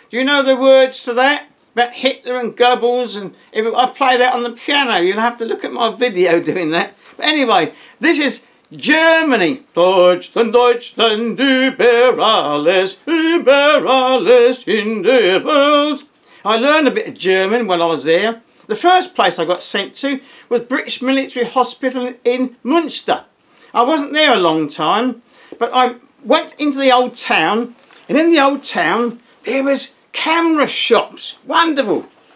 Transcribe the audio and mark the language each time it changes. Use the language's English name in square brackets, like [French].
[English] Do you know the words to that? About Hitler and Goebbels and everything. I play that on the piano. You'll have to look at my video doing that. But anyway, this is Germany. [German] Deutschland, Deutschland, über alles, über alles in der Welt. [English] I learned a bit of German while I was there. The first place I got sent to was British Military Hospital in Munster. I wasn't there a long time, but I went into the old town, and in the old town there was camera shops. Wonderful.